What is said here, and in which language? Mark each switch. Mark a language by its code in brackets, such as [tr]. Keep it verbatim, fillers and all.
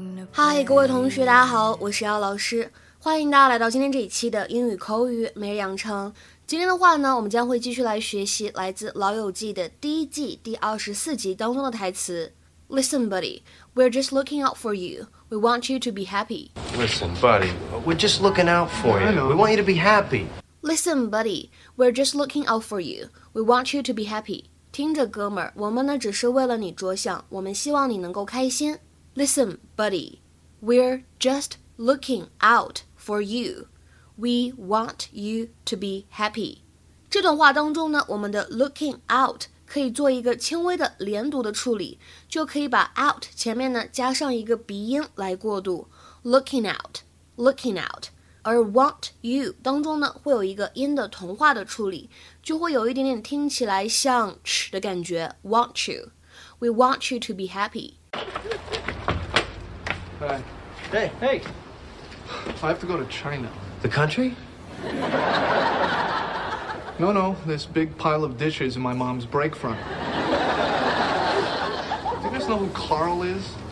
[zh] 嗨，各位同学，大家好，我是姚老师，欢迎大家来到今天这一期的英语口语每日养成。今天的话呢，我们将会继续来学习来自《老友记》的第一季第二十四集当中的台词。 [en] Listen, buddy, we're just looking out for you. We want you to be happy. Listen, buddy, we're just looking out for you. We want you to be happy. Listen, buddy, we're just looking out for you. We want you to be happy. [zh] 听着哥们儿，我们呢只是为了你着想，我们希望你能够开心。 [en] Listen, buddy, we're just looking out for you. We want you to be happy. [zh] 这段话当中呢，我们的 looking out 可以做一个轻微的连读的处理，就可以把 out 前面呢加上一个鼻音来过渡。 [en] Looking out, looking out. [zh] 而 want you 当中呢会有一个音的同化的处理，就会有一点点听起来像 ch 的感觉。 [en] Want you, we want you to be happy. Hi. Hey, hey. I have to go to China. The country? No, no. This big pile of dishes in my mom's break front. Do you guys know who Carl is?